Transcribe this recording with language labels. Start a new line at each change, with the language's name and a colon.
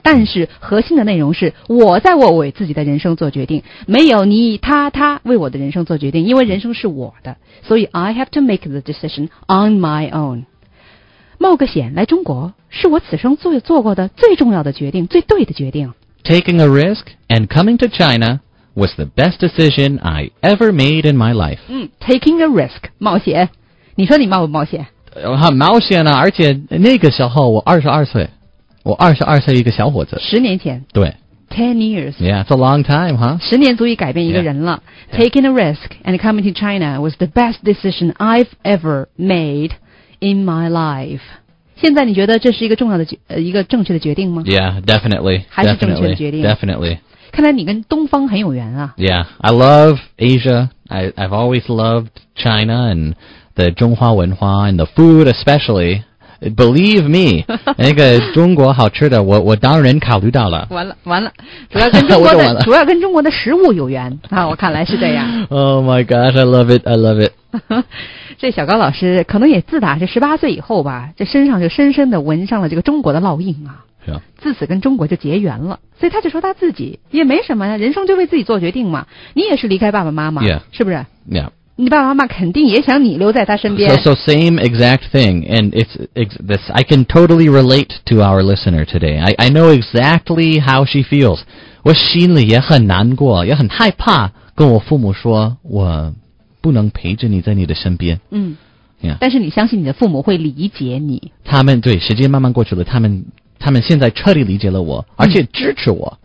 Chinese: 但是核心的内容是我在为自己的人生做决定，没有你他为我的人生做决定，因为人生是我的，所以
English: I have to make the decision on my own.
Chinese: 冒个险来中国，是我此生做过的最重要的决定，最对的决定。
English: Taking a risk and coming to China was the best decision I ever made in my life. Taking a risk,
Chinese: 冒险。你说你冒不冒险？很冒险啊，而且那个时候我22岁，我22岁一个小伙子。 10年前。对。
English: 10 years. Yeah, it's a long time, huh?
Chinese: 十年足以改变一个人了。
English: Yeah. Taking a risk and coming to China was the best decision I've ever made in my life.
Chinese: 现在你觉得这是一个重要的一个正确的决定吗？
English: Yeah, definitely.
Chinese: 还是正确的决定。
English: Definitely.
Chinese: 看来你跟东方很有缘啊。
English: Yeah, I love Asia. I've always loved China and the
Chinese: 中华文化
English: and the food especially. Believe me,
Chinese: 那个中国好吃的我当然考虑到了。完了主要跟中国的主要跟中国的食物有缘啊，我看来是这样。
English: Oh my gosh, I love it.
Chinese: 这小高老师可能也自打是18岁以后吧，这身上就深深的纹上了这个中国的烙印啊。自此跟中国就结缘了，所以他就说他自己也没什么呀，人生就为自己做决定嘛。你也是离开爸爸妈妈、
English: yeah.
Chinese: 是不是？
English: Yeah.
Chinese: 你爸爸妈妈肯定也想你留在他身边。
English: So same exact thing, and this I can totally relate to our listener today. I know exactly how she feels.
Chinese: 我心里也很难过，也很害怕跟我父母说我不能陪着你在你的身边。嗯， yeah. 但是你相信你的父母会理解你。他们对时间慢慢过去了，他们现在彻底理解了我，而且支持我。